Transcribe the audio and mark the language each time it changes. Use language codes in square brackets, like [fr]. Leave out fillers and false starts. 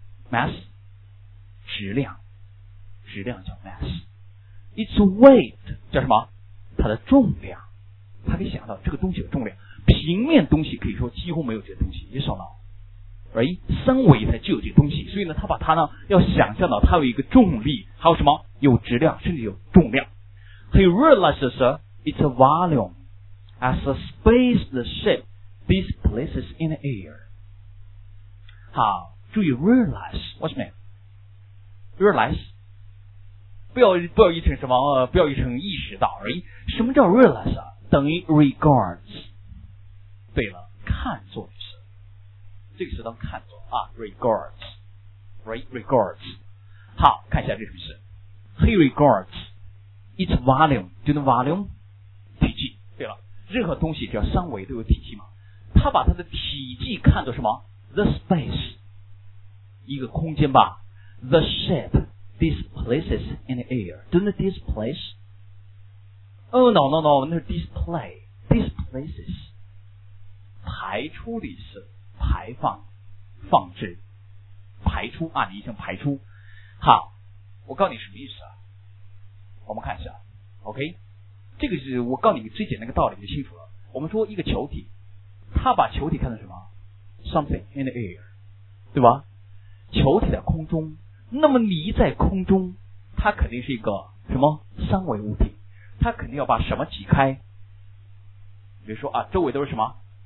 [zh] massmass 质量，质量叫 mass， [en] its weight [zh] 叫什么，它的重量，它可以想到这个东西的重量，平面东西可以说几乎没有这个东西，你想到而已，三维才具有这个东西，所以呢它把它呢要想象到它有一个重力，还有什么有质量甚至有重量。 [en] He realizes its volume as a space the shape displaces in the air。 [zh] 好，注意 [en] realize what's mean realize， [zh] 不要译成什么，不要译成意识到而已。什么叫 realize 啊？等于 regards， 对了，看作的词，这个词当看作啊 regards， right regards。好，看一下这什么词， [en] he regards its volume， do you know volume [zh] 体积，对了，任何东西只要三维都有体积嘛，他把他的体积看作什么 [en] the space， [zh] 一个空间吧。 [en] The shape displaces in the air， Don't displace， Oh no no no， [zh] 那是 [en] display， displaces [zh] 排出的意思，排放放置排出啊，你已经排出。好，我告诉你什么意思啊，我们看一下 OK， 这个是我告诉你最简单的道理就清楚了。我们说一个球体，它把球体看成什么 [en] something in the air [zh] 对吧，球体在空中，那么你在空中它肯定是一个什么三维物体，它肯定要把什么挤开，比如说啊周围都是什么